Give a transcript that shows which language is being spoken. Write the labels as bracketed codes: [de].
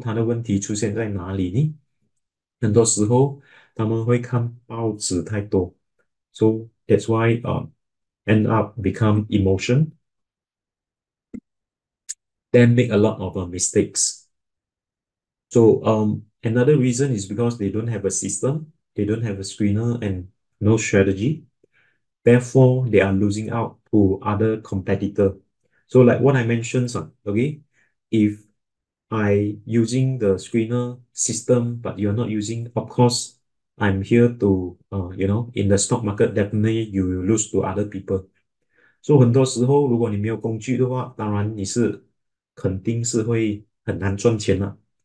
[zh] 很多散户他的问题出现在哪里呢?很多时候他们会看报纸太多. [en] So that's why end up become emotion, then make a lot of mistakes. So another reason is because they don't have a system, they don't have a screener and no strategy. Therefore, they are losing out to other competitor. So like what I mentioned, son, okay, if I using the screener system, but you're not using, of course, I'm here to, you know, in the stock market, definitely you will lose to other people. [zh] So 很多时候如果你没有工具的话,当然你是肯定是会很难赚钱啊。